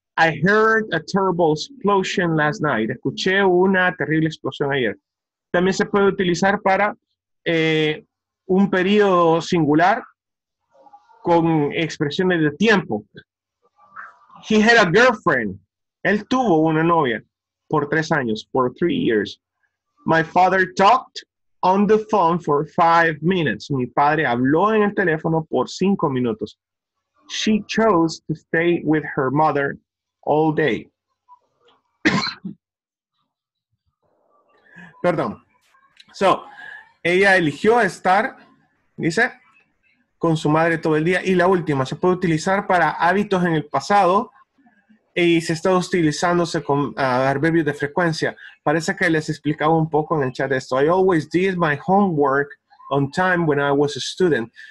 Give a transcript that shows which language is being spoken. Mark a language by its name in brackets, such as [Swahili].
[English] I heard a terrible explosion last night. [Spanish] Escuché una terrible explosión ayer. También se puede utilizar para un periodo singular con expresiones de tiempo. [English] He had a girlfriend. [Spanish] Él tuvo una novia por 3 años, [English] for 3 years. My father talked on the phone for 5 minutes. [Spanish] Mi padre habló en el teléfono por 5 minutos. [English] She chose to stay with her mother all day. [Spanish] Perdón. So, ella eligió estar, dice, con su madre todo el día. Y la última, se puede utilizar para hábitos en el pasado y se está utilizándose con adverbios de frecuencia. Parece que les explicaba un poco en el chat esto. [English] I always did my homework on time when I was a student.